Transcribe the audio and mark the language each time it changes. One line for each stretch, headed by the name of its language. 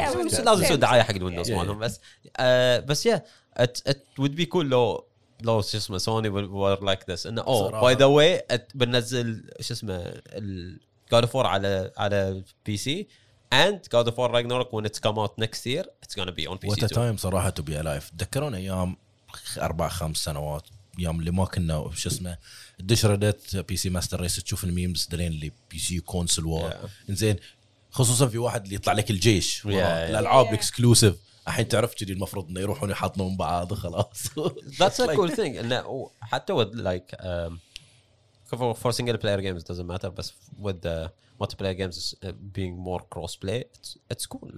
Arabic: Yeah, Windows. لازم يسوي دعاية حق Windows مالهم بس. بس yeah,
English: it would be cool
Arabic: لو شو اسمه Sony were like this.
English: And oh, by the way,
Arabic: بنزل شو اسمه
English: God of War على PC. And God of War Ragnarok when it's come out next year, it's gonna be on PC. What a time, صراحة, to be alive.
Arabic: تذكرون أيام 4-5 سنوات أيام اللي ما كنا شو اسمه الدشردت PC Master Race تشوف الميمز دلين اللي PC Console War. إنزين خصوصا في واحد اللي يطلع لك الجيش الألعاب إكسكلوسيف الحين تعرف كذي المفروض إنه يروحون يحطنهم بعض خلاص.
English: That's a cool thing. And حتى with like for single player games it doesn't matter, but with the multiplayer games being more crossplay, it's cool.